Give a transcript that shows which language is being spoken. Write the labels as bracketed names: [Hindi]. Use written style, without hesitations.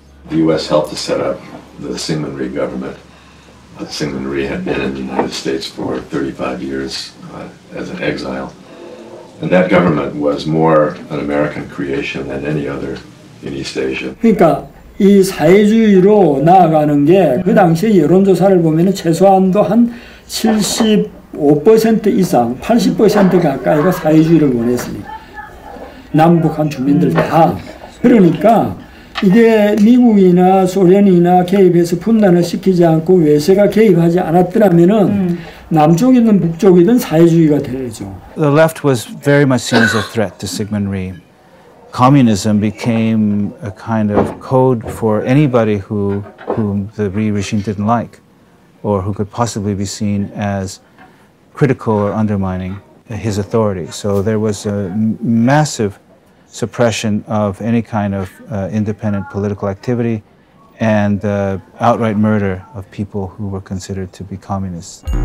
[English] The U.S. helped to set up the Seungman Rhee government. Seungman Rhee had been in the United States for 35 years as an exile. And that government was more an American creation than any other in East Asia. [Korean] 그러니까 이 사회주의로 나아가는 게 그 당시 여론조사를 보면은 최소한도 한 75% 이상, 80% 가까이가 사회주의를 원했습니다. 남북한 주민들 다. 그러니까 이게 미국이나 소련이나 개입해서 분단을 시키지 않고 외세가 개입하지 않았더라면은 남쪽이든 북쪽이든 사회주의가 되죠. [English] The left was very much seen as a threat to Seungman Rhee. Communism became a kind of code for anybody whom the Rhee regime didn't like, or who could possibly be seen as critical or undermining his authority. So there was a massive suppression of any kind of independent political activity and outright murder of people who were considered to be communists.